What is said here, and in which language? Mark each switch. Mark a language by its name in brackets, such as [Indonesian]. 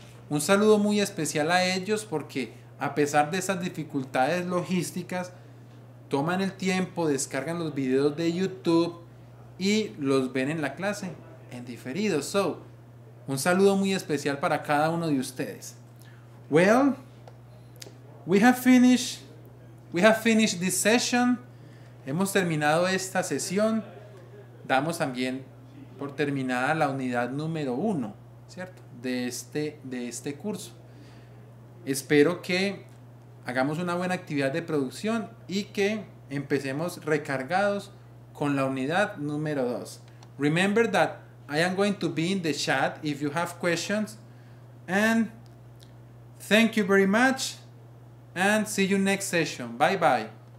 [Spanish] Un saludo muy especial a ellos porque a pesar de esas dificultades logísticas, toman el tiempo, descargan los videos de YouTube y los ven en la clase en diferido. So, un saludo muy especial para cada uno de ustedes. [English] Well, we have finished this session. [Spanish] Hemos terminado esta sesión. Damos también por terminada la unidad número 1, ¿cierto? De este curso. Espero que hagamos una buena actividad de producción y que empecemos recargados con la unidad número 2. [English] Remember that I am going to be in the chat if you have questions. And thank you very much. And see you next session. Bye bye.